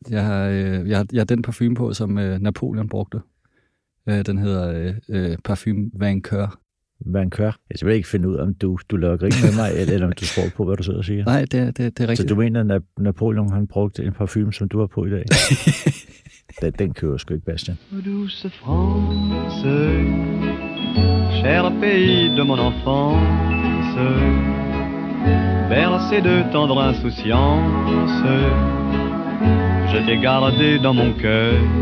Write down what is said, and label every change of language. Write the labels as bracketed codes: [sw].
[da] Jeg har den parfume på, som Napoleon brugte. Den hedder Parfume Vainqueur. Vainqueur? Jeg skal ikke finde ud af, om du laver grin med mig, eller om du tror på, hvad du sidder og siger. Nej, det er rigtigt. Så du mener, at Napoleon han brugte en parfume, som du har på i dag? Den kører sgu ikke, Bastian. [fr] Douce France, cher pays de mon enfance, bercé de tendre insouciance, je t'ai gardé dans mon cœur.